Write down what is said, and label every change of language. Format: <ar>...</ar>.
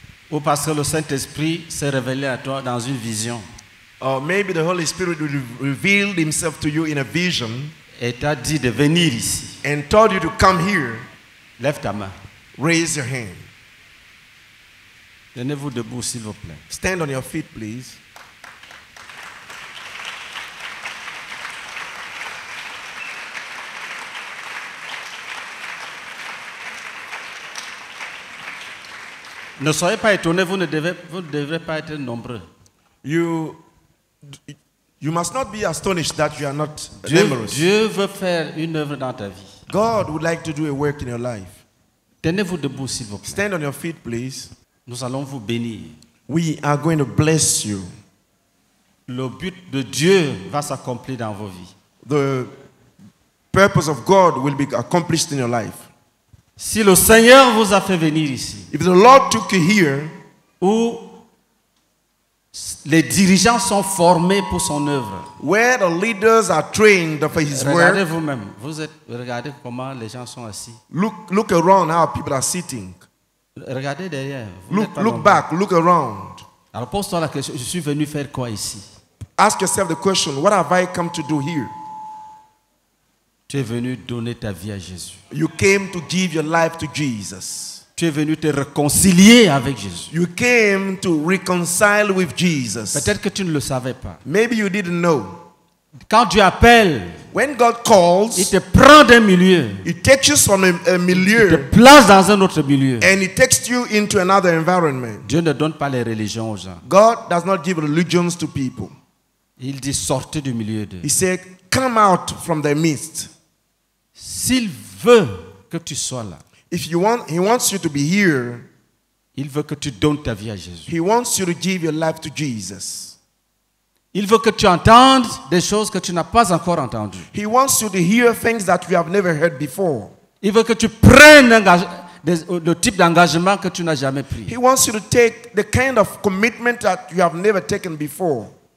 <fr>ou parce que le Saint-Esprit s'est révélé à toi dans une vision,</fr> <en>or maybe the Holy Spirit revealed himself to you in a vision,</en> <fr>et t'a dit de venir ici,</fr> <en>and told you to come here,</en> <fr>lève ta main,</fr> <en>raise your hand.</en> <fr>Tenez-vous debout, s'il vous plaît.</fr> <en>Stand on your feet, please.</en> <fr>Ne soyez pas étonnés, vous ne devrez pas être nombreux.</fr> <en>You must not be astonished that you are not numerous.</en> <fr>Dieu veut faire une œuvre dans ta vie.</fr> <en>God would like to do a work in your life.</en> <fr>Tenez-vous debout, s'il vous plaît.</fr> <en>Stand on your feet, please.</en> <fr>Nous allons vous bénir.</fr> <en>We are going to bless you.</en> <fr>Le but de Dieu va s'accomplir dans vos vies.</fr> <en>The purpose of God will be accomplished in your life.</en> <fr>Si le Seigneur vous a fait venir ici,</fr> <en>if the Lord took you here,</en> <fr>où les dirigeants sont formés pour son œuvre,</fr> <en>where the leaders are trained for his</en> <fr>regardez</fr> <en>work.</en> <fr>Regardez vous-même. Vous êtes. Regardez comment les gens sont assis.</fr> <en>Look around how people are sitting.</en> <fr>Regardez derrière. Vous</fr> <en>look back. Look around.</en> <fr>Alors pose-toi la question. Je suis venu faire quoi ici?</fr> <en>Ask yourself the question. What have I come to do here?</en> <fr>Tu es venu donner ta vie à Jésus.</fr> <en>You came to give your life to Jesus.</en> <fr>Tu es venu te réconcilier avec Jésus.</fr> <en>You came to reconcile with Jesus.</en> <fr>Peut-être que tu ne le savais pas.</fr> <en>Maybe you didn't know.</en> <fr>Quand Dieu appelle,</fr> <en>when God calls,</en> <fr>il te prend d'un milieu.</fr> <en>He takes you from a milieu.</en> <fr>Il te place dans un autre milieu.</fr> <en>And he takes you into another environment.</en> <fr>Dieu ne donne pas les religions aux gens.</fr> <en>God does not give religions to people.</en> <fr>Il dit sortez du milieu d'eux.</fr> <en>He said, come out from their midst.</en> <fr>S'il veut que tu sois là,</fr> <en>if you want, he wants you to be here.</en> <fr>Il veut que tu donnes ta vie à Jésus.</fr> <en>He wants you to give your life to Jesus.</en> <fr>Il veut que tu entendes des choses que tu n'as pas encore entendues.</fr> <en>He wants you to hear things that you have never heard before.</en> <fr>Il veut que tu prennes le type d'engagement que tu n'as jamais pris.</fr> <en>He wants you to take the kind of commitment that you have never taken before.</en>